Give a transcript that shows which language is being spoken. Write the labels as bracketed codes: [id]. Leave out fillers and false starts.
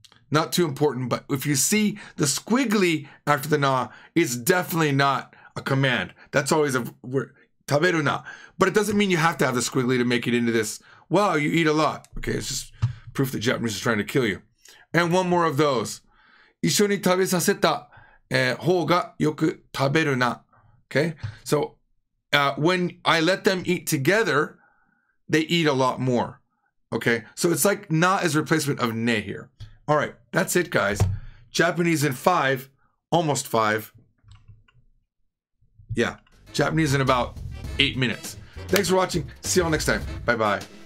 [en] Not too important, but if you see the squiggly after the na, it's definitely not a command. That's always a word, 食べるな.But it doesn't mean you have to have the squiggly to make it into this, wow, you eat a lot. Okay, it's just proof that Japanese is trying to kill you. And one more of those. [ja] 一緒に食べさせた方がよく食べるな. [en] Okay, so when I let them eat together, they eat a lot more. Okay, so it's like na is replacement of ne here. All right, that's it, guys. Japanese in five, almost five. Yeah, Japanese in about 8 minutes. Thanks for watching. See y'all next time. Bye-bye.